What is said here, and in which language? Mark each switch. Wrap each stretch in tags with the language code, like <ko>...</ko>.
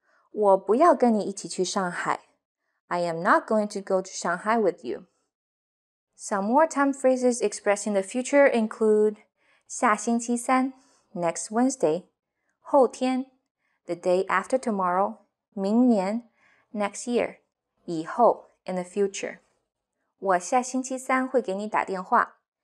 <zh>我不要跟你一起去上海。</zh> <en>I am not going to go to Shanghai with you. Some more time phrases expressing the future include 下星期三, next Wednesday, 后天, the day after tomorrow, 明年, next year, 以后, in the future.</en> <zh>我下星期三会给你打电话。</zh>